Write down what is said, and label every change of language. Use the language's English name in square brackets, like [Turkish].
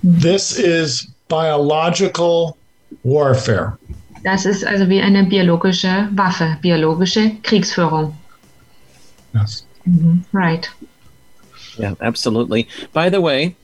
[English] This is biological warfare. [German] Das ist also wie eine biologische Waffe, biologische Kriegsführung. [English] Yes. Mm-hmm. Right. Yeah, absolutely. By the way,